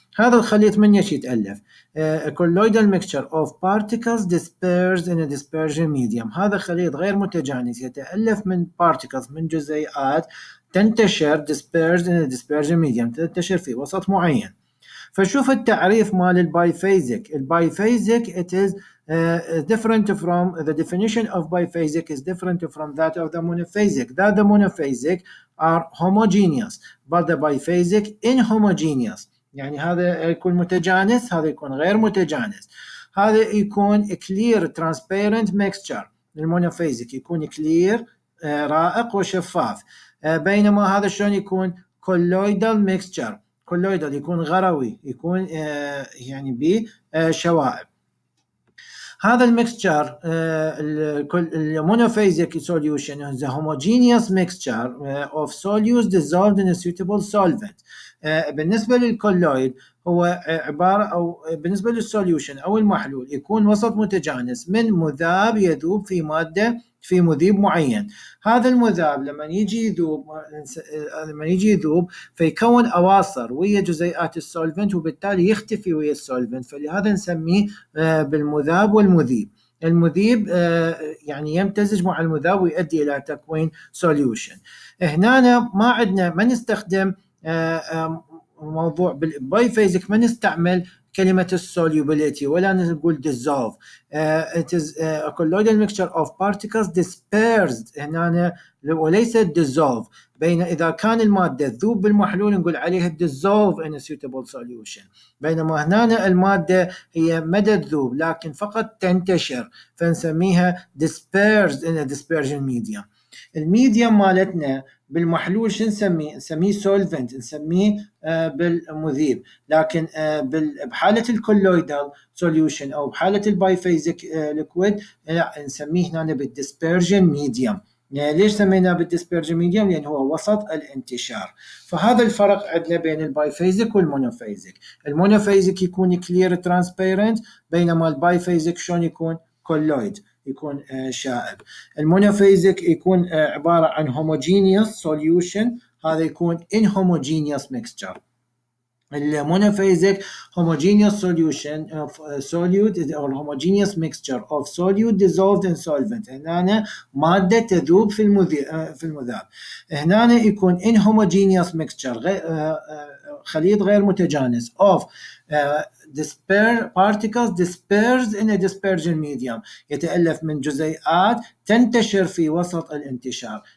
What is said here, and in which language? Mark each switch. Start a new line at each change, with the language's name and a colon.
Arabic: هذا الخليط من ايش يتالف؟
English: colloidal mixture of particles dispersed in dispersion medium,
Arabic: هذا خليط غير متجانس يتالف من بارتيكلز من جزيئات تنتشر
English: dispersed in a dispersion medium،
Arabic: تنتشر في وسط معين. فشوف التعريف مال البايفازيك.
English: البايفازيك it is different from the definition of biphasic is different from that of the monophasic. That the monophasic are homogeneous but the biphasic inhomogeneous.
Arabic: يعني هذا يكون متجانس، هذا يكون غير متجانس. هذا يكون
English: a clear transparent mixture.
Arabic: المونوفازيك يكون clear رائق وشفاف. بينما هذا شلون يكون
English: colloidal mixture.
Arabic: colloidal يكون غروي، يكون يعني بشوائب. هذا المكستشر المونوفازيك
English: solution is a homogeneous mixture of solutes dissolved in a suitable solvent.
Arabic: بالنسبة للcolloid هو عبارة أو بالنسبة للsolution أو المحلول يكون وسط متجانس من مذاب يذوب في مادة في مذيب معين. هذا المذاب لما يجي يذوب فيكون أواصر ويا جزيئات السولفنت وبالتالي يختفي ويا السولفنت، فلهذا نسميه بالمذاب والمذيب. المذيب يعني يمتزج مع المذاب ويؤدي إلى تكوين solution. هنا ما عندنا ما نستخدم موضوع بالبايفازيك، ما نستعمل كلمة solubility ولا نقول dissolve.
English: It is a colloidal mixture of particles dispersed
Arabic: هنا وليس
English: dissolve.
Arabic: بين إذا كان المادة تذوب بالمحلول نقول عليها
English: dissolve in a suitable solution،
Arabic: بينما هنا المادة هي مدى تذوب لكن فقط تنتشر فنسميها
English: dispersed in a dispersion medium.
Arabic: الميديم مالتنا بالمحلول شو نسميه؟ نسميه solvent، نسميه بالمذيب. لكن بحالة الكولويدال solution أو بحالة البايفازيك ليكويد نسميه هنا بالdispersion medium. ليش سميناه بالديسبيرجي ميديوم؟ لأن هو وسط الانتشار. فهذا الفرق عندنا بين البايفيزيك والمونوفيزيك. المونوفيزيك يكون
English: clear transparent,
Arabic: بينما البايفيزيك شلون يكون؟ كولويد، يكون شائب. المونوفيزيك يكون عبارة عن
English: homogeneous solution,
Arabic: هذا يكون
English: Inhomogeneous mixture. المونوفازيك homogeneous solution of solute or homogeneous mixture of solute dissolved in solvent.
Arabic: هنا مادة تذوب في المذاب. هنا يكون
English: inhomogeneous mixture،
Arabic: خليط غير متجانس
English: of dispersed particles dispersed in a dispersion medium،
Arabic: يتألف من جزيئات تنتشر في وسط الانتشار.